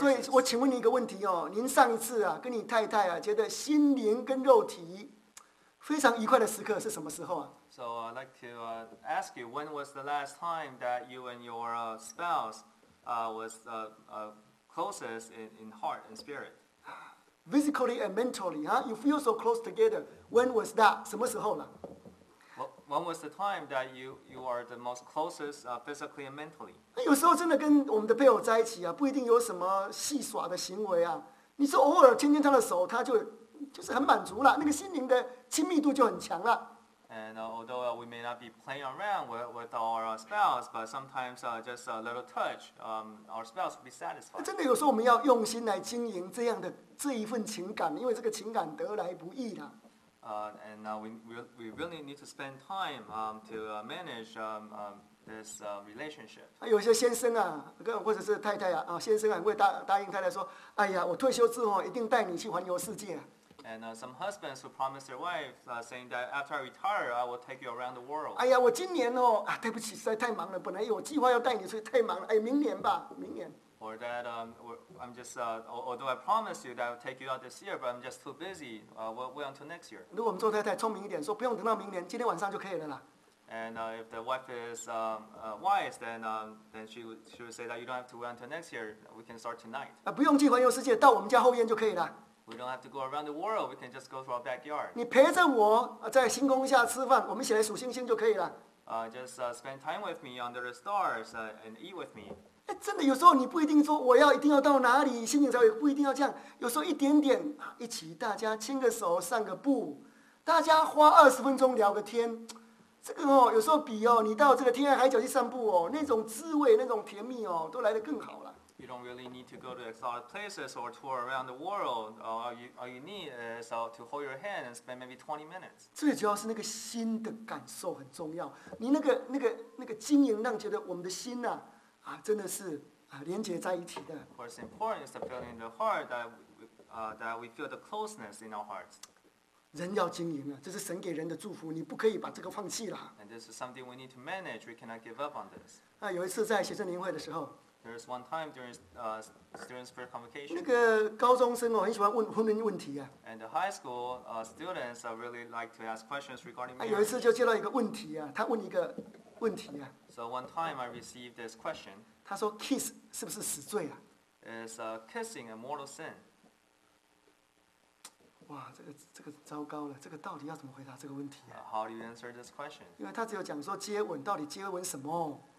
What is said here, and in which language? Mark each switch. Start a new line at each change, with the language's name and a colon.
Chinese: 所以我请问你一个问题哦，您上一次啊，跟你太太啊，觉得心灵跟肉体非常愉快的时刻是什么时候啊？
English: So I'd like to ask you, when was the last time that you and your spouse was closest in heart and spirit? Physically and mentally, huh? You feel so close together. When was that?
Chinese: 什么时候了？
English: When was the time that you are the most closest physically and mentally?
Chinese: 有时候真的跟我们的配偶在一起啊，不一定有什么戏耍的行为啊。你说偶尔牵牵他的手，他就是很满足了，那个心灵的亲密度就很强了。
English: And although we may not be playing around with our spouse, but sometimes just a little touch, our spouse will be satisfied.
Chinese: 真的有时候我们要用心来经营这样的这一份情感，因为这个情感得来不易的。
English: And we really need to spend time to manage this relationship.
Chinese: 有些先生啊，或者是太太啊，先生很会答应太太说，哎呀，我退休之后一定带你去环游世界。
English: And some husbands who promise their wife, saying that after I retire, I will take you around the world.
Chinese: 哎呀，我今年哦，啊，对不起，实在太忙了，本来有计划要带你出去，太忙了，哎，明年吧，明年。
English: Or that I'm just although I promised you that I'll take you out this year, but I'm just too busy. We'll wait until next year.
Chinese: 如果我们做太太聪明一点，说不用等到明年，今天晚上就可以了啦。
English: And if the wife is wise, then she would say that you don't have to wait until next year. We can start tonight.
Chinese: 不用去环游世界，到我们家后院就可以了。
English: We don't have to go around the world. We can just go to our backyard.
Chinese: 你陪着我在星空下吃饭，我们一起来数星星就可以了。
English: Just spend time with me under the stars and eat with me.
Chinese: 真的，有时候你不一定说我要一定要到哪里，心情才会不一定要这样。有时候一点点，一起大家牵个手、散个步，大家花20分钟聊个天，这个哦，有时候比哦，你到这个天涯海角去散步哦，那种滋味、那种甜蜜哦，都来得更好了。
English: you don't really need to go to exotic places or tour around the world. All you need is to hold your hand and spend maybe 20 minutes.
Chinese: 最主要是那个心的感受很重要。你那个经营让觉得我们的心呢、啊，啊，真的是啊，连接在一起的。
English: What's important is the feeling in the heart that we feel the closeness in our hearts.
Chinese: 人要经营啊，这是神给人的祝福，你不可以把这个放弃了。
English: And this is something we need to manage. We cannot give up on this.
Chinese: 啊，有一次在学生灵会的时候
English: ，There is one time during students' prayer convocation.
Chinese: 那个高中生哦，很喜欢问问题啊。
English: And the high school students really like to ask questions regarding marriage.
Chinese: 啊，有一次就接到一个问题啊，他问一个问题啊。
English: So one time I received this question.
Chinese: 他说 ，kiss 是不是死罪啊
English: ？Is kissing a mortal sin?
Chinese: 哇，这个糟糕了！这个到底要怎么回答这个问题啊
English: ？How do you answer this question？
Chinese: 因为他只有讲说接吻，到底接吻什么